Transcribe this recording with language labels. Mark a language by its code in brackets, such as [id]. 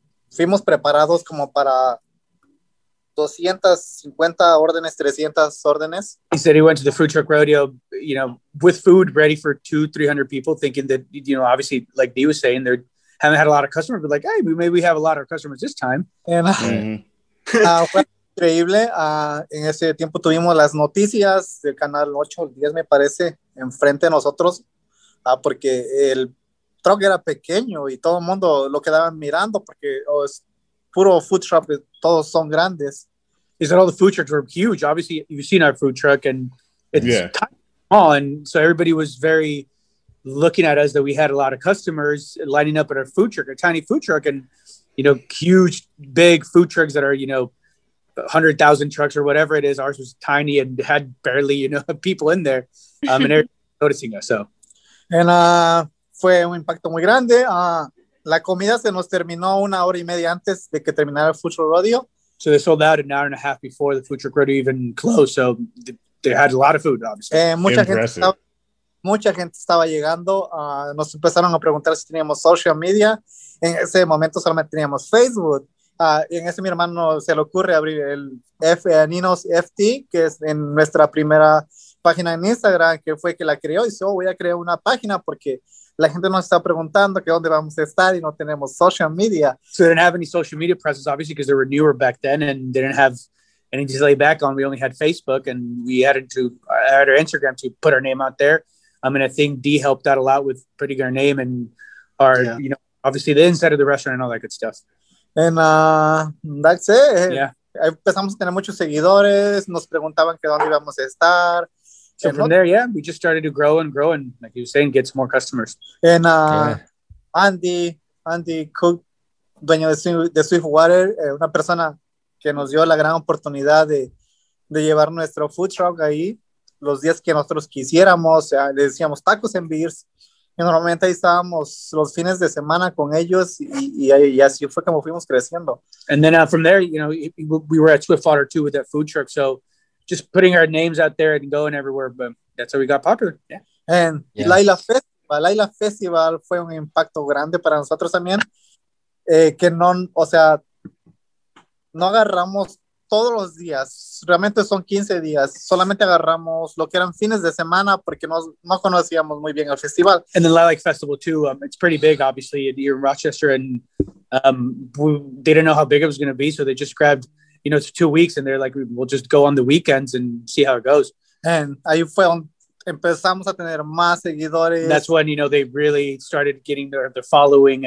[es] Fuimos preparados como para 250 órdenes, 300 órdenes. [en] He said he went to the Food Truck Rodeo, you know, with food ready for 200-300 people, thinking that, you know, obviously, like Dee was saying, they haven't had a lot of customers, but like, hey, maybe we have a lot of customers this time. [es] And fue increíble. En ese tiempo tuvimos las noticias del canal 8 o 10, me parece, enfrente de nosotros, porque el truck era pequeño y todo el mundo lo quedaba mirando porque es puro food truck, todos son grandes. [en] He said all the food trucks were huge. Obviously, you've seen our food truck and it's tiny, small. And so everybody was very looking at us that we had a lot of customers lining up at our food truck, a tiny food truck, and, you know, huge, big food trucks that are, you know, 100,000 trucks or whatever it is. Ours was tiny and had barely, you know, people in there. And everybody noticing us. So. [es] And, fue un impacto muy grande. La comida se nos terminó una hora y media antes de que terminara el Food Truck Rodeo. [en] So they sold out an hour and a half before the Food Truck Rodeo even closed. So they had a lot of food, obviously. [es] Mucha gente estaba llegando. Nos empezaron a preguntar si teníamos social media. En ese momento solamente teníamos Facebook. Y en ese mi hermano se le ocurre abrir el Ninos FT, que es en nuestra primera página en Instagram, que fue que la creó. Y dijo, voy a crear una página porque la gente nos está preguntando que dónde vamos a estar y no tenemos social media. [en] So they didn't have any social media presence, obviously, because they were newer back then and they didn't have any to lay back on. We only had Facebook and we added to add our Instagram to put our name out there. I mean, I think D helped out a lot with putting our name and our, you know, obviously the inside of the restaurant and all that good stuff. And that's it. Yeah. [es] Empezamos a tener muchos seguidores. Nos preguntaban que dónde íbamos a estar. [en] So from there, yeah, we just started to grow and grow and, like you were saying, get some more customers. [es] And Andy Cook, dueño de Swiftwater, una persona que nos dio la gran oportunidad de llevar nuestro food truck ahí los días que nosotros quisiéramos. Le decíamos [en] tacos and beers. [es] Y normalmente ahí estábamos los fines de semana con ellos y así fue como fuimos creciendo. [en] And then from there, you know, we were at Swiftwater too with that food truck, so just putting our names out there and going everywhere, but that's how we got popular. Yeah. And yeah. [es] Laila Festival fue un impacto grande para nosotros también. Que no, o sea, no agarramos todos los días. Realmente son 15 días. Solamente agarramos lo que eran fines de semana porque no conocíamos muy bien el festival. [en] And then Lilac Festival too. It's pretty big, obviously, in Rochester. And they didn't know how big it was going to be, so they just grabbed, you know, it's 2 weeks and they're like, we'll just go on the weekends and see how it goes. [es] And ahí fue donde empezamos a tener más seguidores. [en] And that's when, you know, they really started getting their following.